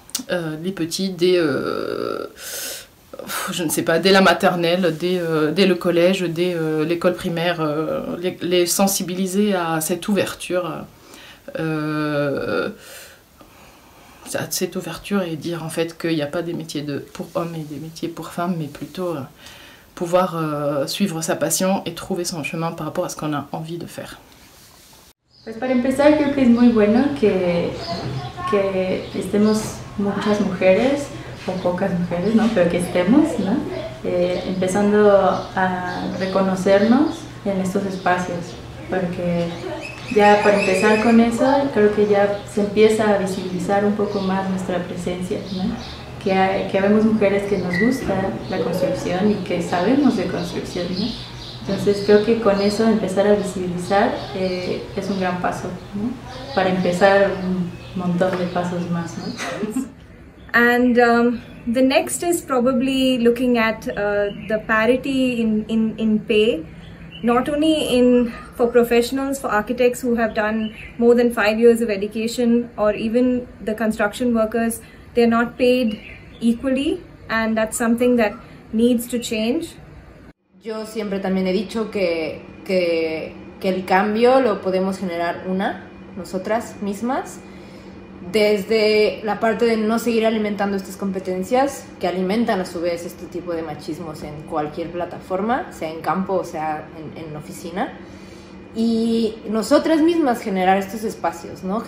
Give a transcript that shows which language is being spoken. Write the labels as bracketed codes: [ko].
[fr] Les petits, dès la maternelle, dès le collège, dès l'école primaire, les sensibiliser à cette ouverture. Cette ouverture et dire en fait qu'il n'y a pas des métiers pour hommes et des métiers pour femmes, mais plutôt pouvoir suivre sa passion et trouver son chemin par rapport à ce qu'on a envie de faire. [es] Pues para empezar, creo que es muy bueno que estemos muchas mujeres o pocas mujeres, ¿no? Pero que estemos, ¿no? Empezando a reconocernos en estos espacios, porque ya para empezar con eso, creo que ya se empieza a visibilizar un poco más nuestra presencia, ¿no? Que vemos mujeres que nos gusta la construcción y que sabemos de construcción, ¿no? Entonces creo que con eso empezar a visibilizar es un gran paso, ¿no? Para empezar un montón de pasos más, ¿no? [en] And the next is probably looking at the parity in pay. Not only for professionals, for architects who have done more than 5 years of education, or even the construction workers, they're not paid equally, and that's something that needs to change. [es] Yo siempre también he dicho que el cambio lo podemos generar nosotras mismas, desde la parte de no seguir alimentando estas competencias que alimentan a su vez este tipo de machismos en cualquier plataforma, sea en campo o sea en oficina, y nosotras mismas generar estos espacios, ¿no?